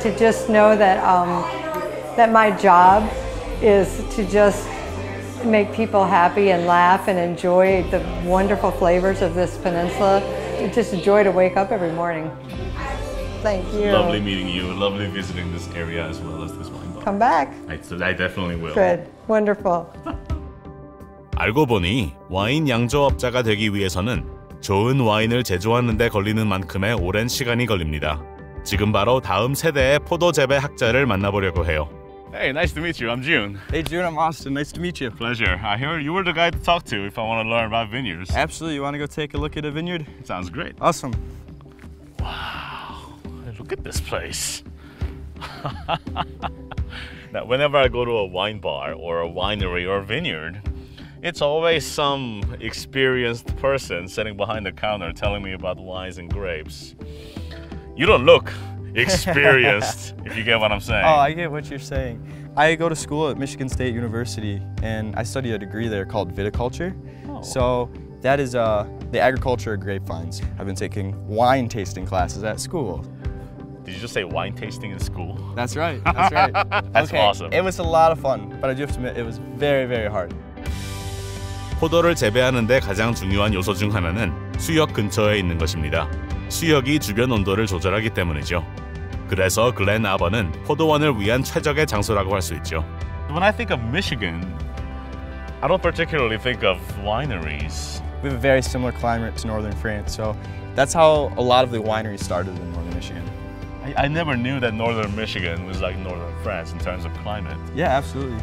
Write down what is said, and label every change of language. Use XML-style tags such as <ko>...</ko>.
<en>To just know that that my job is to just make people happy and laugh and enjoy the wonderful flavors of this peninsula. It's just a joy to wake up every morning. Thank you. Lovely meeting you. Lovely visiting this area as well as this wine bar. Come back. I definitely will. Good. Wonderful.</en> <ko>알고 보니 와인 양조업자가 되기 위해서는 좋은 와인을 제조하는 데 걸리는 만큼의 오랜 시간이 걸립니다. 지금 바로 다음 세대의 포도 재배 학자를 만나보려고 해요.</ko> <en>Hey, nice to meet you. I'm June. Hey, June. I'm Austin. Nice to meet you. Pleasure. I hear you were the guy to talk to if I want to learn about vineyards. Absolutely. You want to go take a look at a vineyard? It sounds great. Awesome. Wow. Look at this place. Now, whenever I go to a wine bar or a winery or a vineyard, It's always some experienced person sitting behind the counter telling me about wines and grapes. You don't look experienced, if you get what I'm saying. Oh, I get what you're saying. I go to school at Michigan State University, and I study a degree there called viticulture. Oh. So that is the agriculture of grapevines. I've been taking wine tasting classes at school. Did you just say wine tasting in school? That's right, that's right. That's okay. Awesome. It was a lot of fun, but I do have to admit, it was very, very hard.</en> <ko>포도를 재배하는 데 가장 중요한 요소 중 하나는 수역 근처에 있는 것입니다. 수역이 주변 온도를 조절하기 때문이죠. 그래서 글렌 아번은 포도원을 위한 최적의 장소라고 할 수 있죠.</ko> <en>When I think of Michigan, I don't particularly think of wineries. We have a very similar climate to northern France, so that's how a lot of the wineries started in northern Michigan. I never knew that northern Michigan was like northern France in terms of climate. Yeah, absolutely.</en>